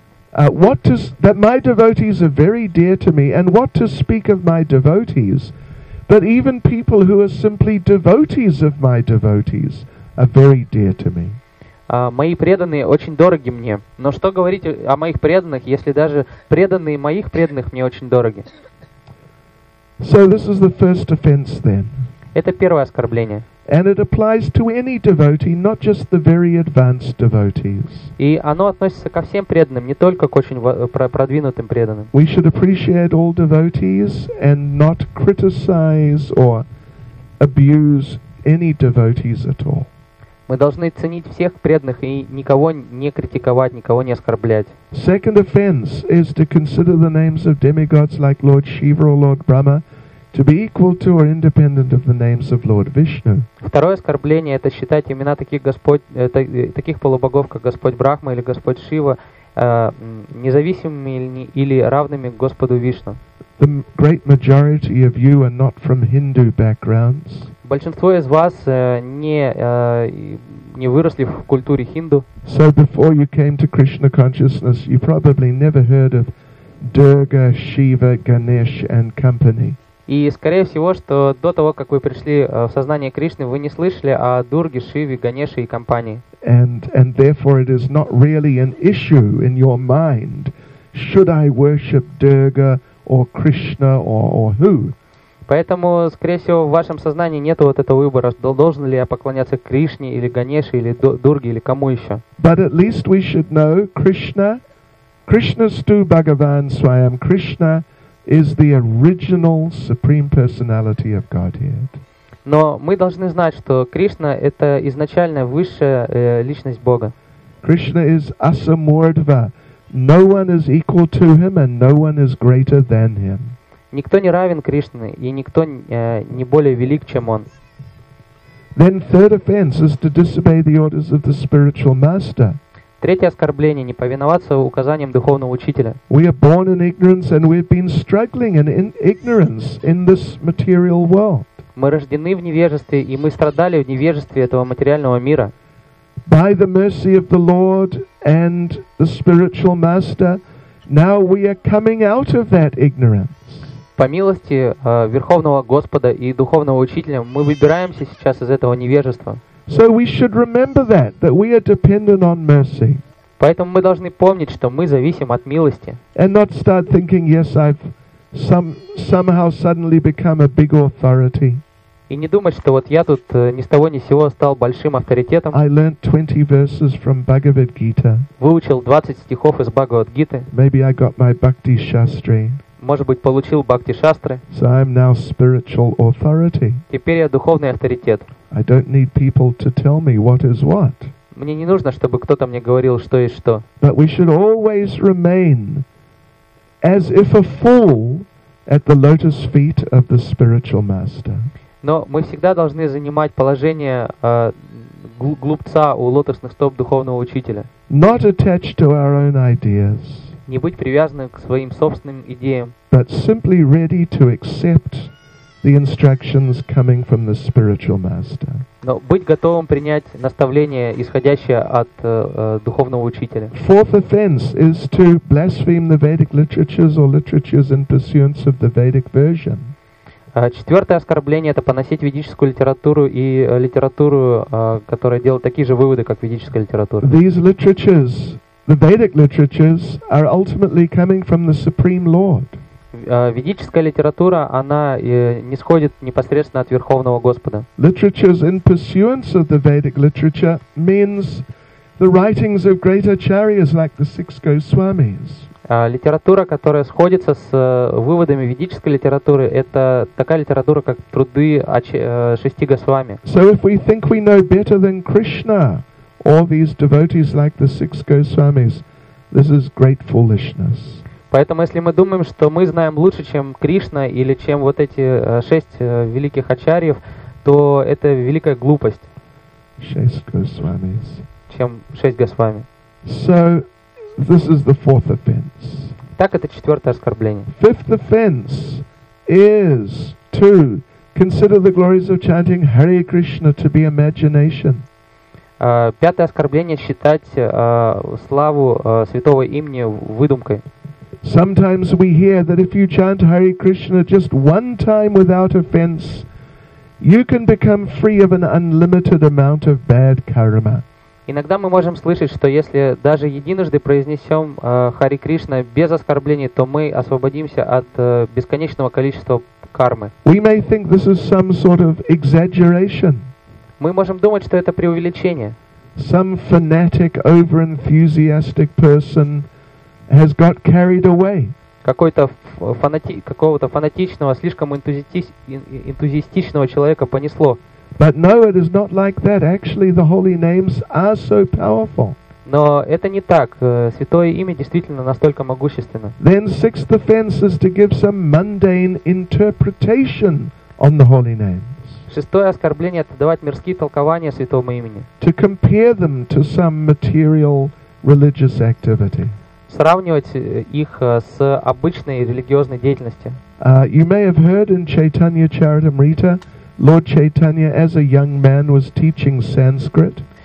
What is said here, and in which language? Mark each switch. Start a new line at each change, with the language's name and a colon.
English: That my devotees are very dear to me, and what to speak of my devotees, but even people who are simply devotees of my devotees are very dear to me.
Russian: Мои преданные очень дороги мне. Но что говорить о моих преданных, если даже преданные моих преданных мне очень дороги?
English: So this is the first offense then.
Russian: Это первое оскорбление.
English: And it applies to any devotee, not just the very advanced devotees.
Russian: И оно относится ко всем преданным, не только к очень продвинутым преданным.
English: We should appreciate all devotees and not criticize or abuse any devotees at all.
Russian: Мы должны ценить всех преданных и никого не критиковать, никого не оскорблять.
English: Second offense is to consider the names of demigods like Lord Shiva or Lord Brahma to be equal to or independent of the names of Lord Vishnu.
Russian: Второе оскорбление — это считать имена таких господь, таких полубогов, как Господь Брахма или Господь Шива, независимыми или равными Господу Вишну.
English: The great majority of you are not from Hindu backgrounds.
Russian: Большинство из вас не выросли в культуре хинду.
English: So before you came to Krishna consciousness, you probably never heard of Durga, Shiva, Ganesh and company.
Russian: И скорее всего, что до того, как вы пришли в сознание Кришны, вы не слышали о Дурге, Шиве, Ганеше и компании.
English: And therefore it is not really an issue in your mind, should I worship Durga or Krishna or who?
Russian: Поэтому, скорее всего, в вашем сознании нет вот этого выбора, должен ли я поклоняться Кришне или Ганеше или Дурге или кому еще.
English: But at least we should know Krishna.
Sanskrit: Krishna stu Bhagavan Swayam
English: Krishna is the original supreme personality of Godhead.
Russian: Но мы должны знать, что Кришна — это изначальная высшая личность Бога.
English: Krishna is Asamurdva. No one is equal to him and no one is greater than him.
Russian: Никто не равен Кришне, и никто не более велик, чем он.
English: Then third offense is to disobey the orders of the spiritual master.
Russian: Третье оскорбление — не повиноваться указаниям духовного учителя.
English: We are born in ignorance and we've been struggling in ignorance in this material world.
Russian: Мы рождены в невежестве, и мы страдали в невежестве этого материального мира.
English: By the mercy of the Lord and the spiritual master, now we are coming out of that ignorance.
Russian: По милости Верховного Господа и Духовного Учителя мы выбираемся сейчас из этого невежества.
English: So we should remember that we are dependent on mercy.
Russian: Поэтому мы должны помнить, что мы зависим от милости.
English: And not start thinking, yes, I've somehow suddenly become a big authority.
Russian: И не думать, что вот я тут ни с того ни с сего стал большим авторитетом.
English: I learned 20 verses from Bhagavad Gita.
Russian: Выучил 20 стихов из Бхагавад Гиты.
English: Maybe I got my Bhakti Shastri.
Russian: Может быть, получил Бхакти Шастры.
English: So I'm now spiritual authority.
Russian: Теперь я духовный авторитет.
English: I don't need people to tell me what is what.
Russian: Мне не нужно, чтобы кто-то мне говорил, что есть что.
English: But we should always remain as if a fool at the lotus feet of the spiritual master.
Russian: Но мы всегда должны занимать положение глупца у лотосных стоп духовного учителя.
English: Not attached to our own ideas.
Russian: Не быть привязанным к своим собственным идеям.
English: But simply ready to accept the instructions coming from the spiritual master.
Russian: Но быть готовым принять наставление, исходящее от духовного учителя.
English: Fourth offense is to blaspheme the Vedic literatures or literatures in pursuance of the Vedic version.
Russian: Четвертое оскорбление — это поносить ведическую литературу и литературу, которая делает такие же выводы, как ведическая литература.
English: These literatures, the Vedic literatures, are ultimately coming from the Supreme Lord.
Russian: Ведическая литература, она нисходит непосредственно от Верховного Господа.
English: Literatures in pursuance of the Vedic literature means the writings of great acharyas like the six Goswamis.
Russian: Литература, которая сходится с выводами ведической литературы, это такая литература, как труды шести Госвами.
English: So if we think we know better than Krishna, all these devotees like the six Goswamis, this is great foolishness.
Russian: Поэтому, если мы думаем, что мы знаем лучше, чем Кришна или чем вот эти шесть великих ачарьев, то это великая глупость. Шесть Госвамис. Чем шесть Госвами.
English: So this is the fourth offense.
Russian: Так, это четвертое оскорбление.
English: Fifth offense is to consider the glories of chanting Hare Krishna to be imagination.
Russian: Пятое оскорбление — считать славу святого имени выдумкой.
English: Sometimes we hear that if you chant Hare Krishna just one time without offense, you can become free of an unlimited amount of bad karma.
Russian: Иногда мы можем слышать, что если даже единожды произнесем Хари Кришна без оскорблений, то мы освободимся от бесконечного количества кармы.
English: We may think this is some sort of exaggeration.
Russian: Мы можем думать, что это преувеличение.
English: Some fanatic, over-enthusiastic person has got carried away.
Russian: Какого-то фанатичного, слишком энтузиастичного человека понесло.
English: But no, it is not like that. Actually, the holy names are so powerful.
Russian: Но это не так. Святое имя действительно настолько могущественно.
English: Then sixth offense is to give some mundane interpretation on the holy names.
Russian: Шестое оскорбление — это давать мирские толкования святому имени.
English: To compare them to some material religious activity.
Russian: Сравнивать их с обычной религиозной деятельностью.
English: You may have heard in Chaitanya Charitamrita, Lord Chaitanya as a young man was teaching Sanskrit.